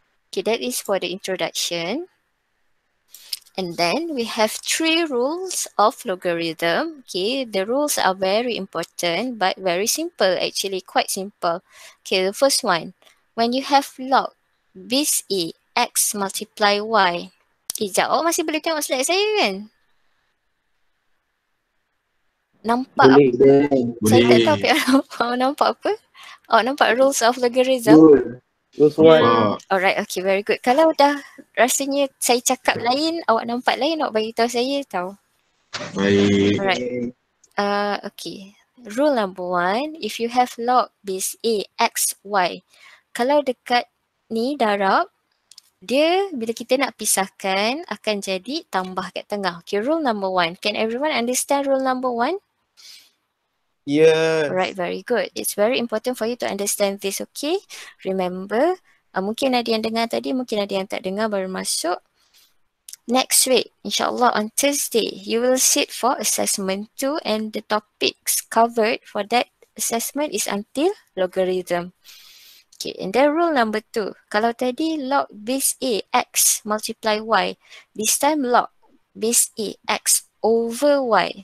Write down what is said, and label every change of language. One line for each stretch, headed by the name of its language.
English: Okay, that is for the introduction. And then we have 3 rules of logarithm. Okay, the rules are very important but very simple, actually quite simple. Okay, the first one, when you have log base a x multiply y.
Malay: Sekejap, awak masih boleh tengok slide saya kan? Nampak boleh, apa? Boleh. Saya tak tahu nampak apa? Oh, nampak rules of logarithm?
English: Rules y. Alright, okay, very good.
Malay: Kalau dah rasanya saya cakap lain, awak nampak lain, awak bagi tahu saya tahu. Baik.
English: Alright. Okay. Rule number one, if you have log base a x y.
Malay: Kalau dekat ni darab, dia bila kita nak pisahkan akan jadi tambah kat tengah.
English: Okay, rule number one. Can everyone understand rule number one? Yes. Right, very good. It's very important for you to understand this, okay?
Malay: Remember, mungkin ada yang dengar tadi, mungkin ada yang tak dengar baru masuk.
English: Next week, insyaAllah on Thursday, you will sit for assessment 2 and the topics covered for that assessment is until logarithm. Okay, and then rule number 2.
Malay: Kalau tadi
English: log base a x multiply y, this time log base a x over y.